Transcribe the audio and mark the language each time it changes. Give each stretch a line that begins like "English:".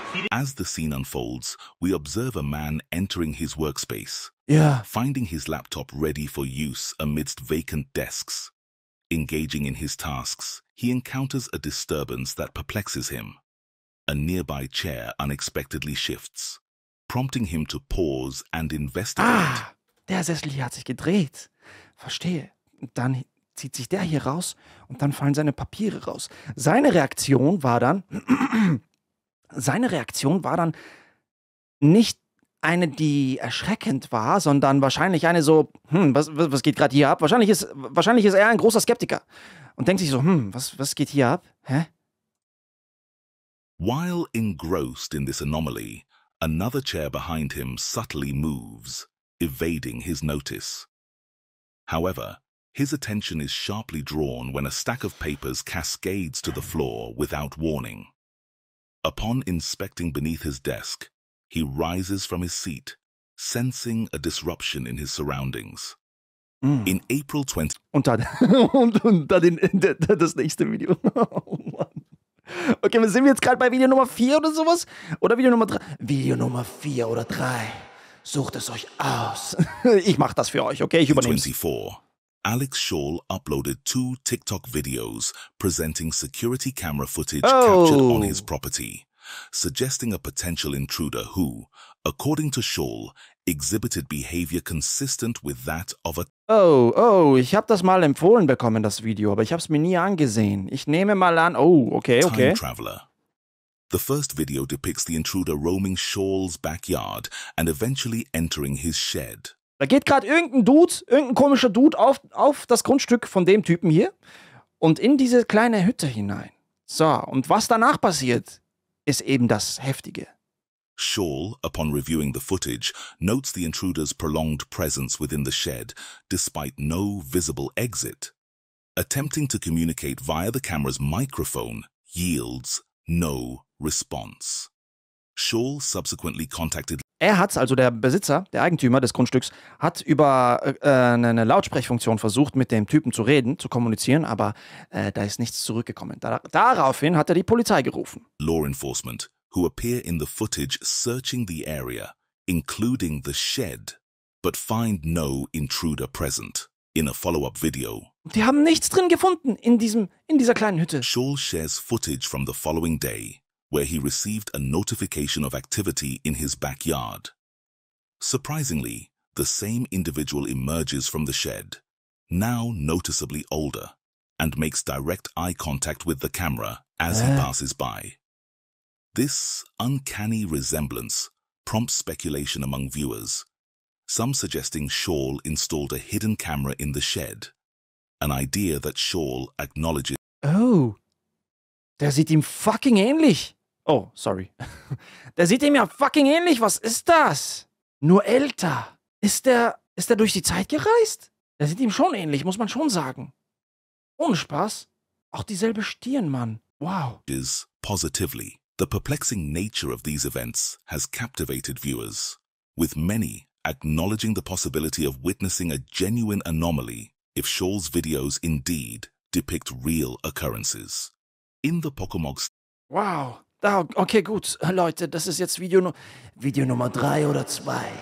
English: As the scene unfolds, we observe a man entering his workspace, finding his laptop ready for use amidst vacant desks. Engaging in his tasks, he encounters a disturbance that perplexes him. A nearby chair unexpectedly shifts, prompting him to pause and investigate.
German: Der Sessel hier hat sich gedreht. Verstehe. Dann zieht sich der hier raus und dann fallen seine Papiere raus. Seine Reaktion war dann nicht eine, die erschreckend war, sondern wahrscheinlich eine so, was geht gerade hier ab? Wahrscheinlich ist er ein großer Skeptiker und denkt sich so, was geht hier ab? Hä?
English: While engrossed in this anomaly, another chair behind him subtly moves, evading his notice. However, his attention is sharply drawn when a stack of papers cascades to the floor without warning. Upon inspecting beneath his desk, he rises from his seat, sensing a disruption in his surroundings. In April 20...
German: Und dann das nächste Video. Oh, Mann. Okay, sind wir jetzt gerade bei Video Nummer 4 oder sowas? Oder Video Nummer 3? Video Nummer 4 oder 3. Sucht es euch aus. Ich mach das für euch, okay? Ich übernehme.
English: 24. Alex Scholl uploaded two TikTok videos presenting security camera footage captured on his property, suggesting a potential intruder who, according to Scholl, exhibited behavior consistent with that of a...
German: Ich habe das mal empfohlen bekommen, das Video, aber ich habe es mir nie angesehen. Ich nehme mal an... Okay.
English: Time traveler. The first video depicts the intruder roaming Scholl's backyard and eventually entering his shed.
German: Da geht gerade irgendein komischer Dude auf das Grundstück von dem Typen hier und in diese kleine Hütte hinein. So, und was danach passiert, ist eben das Heftige.
English: Scholl, upon reviewing the footage, notes the intruder's prolonged presence within the shed, despite no visible exit. Attempting to communicate via the camera's microphone yields no response. Scholl subsequently contacted...
German: Der Besitzer, der Eigentümer des Grundstücks, hat über eine Lautsprechfunktion versucht, mit dem Typen zu reden, zu kommunizieren, aber da ist nichts zurückgekommen. Daraufhin hat er die Polizei gerufen.
English: Law enforcement, who appear in the footage searching the area, including the shed, but find no intruder present. In a follow-up video.
German: Die haben nichts drin gefunden in dieser kleinen Hütte.
English: Scholl shares footage from the following day, where he received a notification of activity in his backyard. Surprisingly, the same individual emerges from the shed, now noticeably older, and makes direct eye contact with the camera as he passes by. This uncanny resemblance prompts speculation among viewers, some suggesting Shawl installed a hidden camera in the shed, an idea that Shawl acknowledges.
German: Oh, der sieht ihm fucking ähnlich. Oh, sorry. Der sieht ihm ja fucking ähnlich. Was ist das? Nur älter. Ist der durch die Zeit gereist? Der sieht ihm schon ähnlich, muss man schon sagen. Ohne Spaß. Auch dieselbe Stirn, Mann. Wow.
English: Is positively. The perplexing nature of these events has captivated viewers, with many acknowledging the possibility of witnessing a genuine anomaly if Shawl's videos indeed depict real occurrences. In the Pokemon...
German: Wow. Oh, okay, gut. Leute, das ist jetzt Video Nummer 3 oder 2.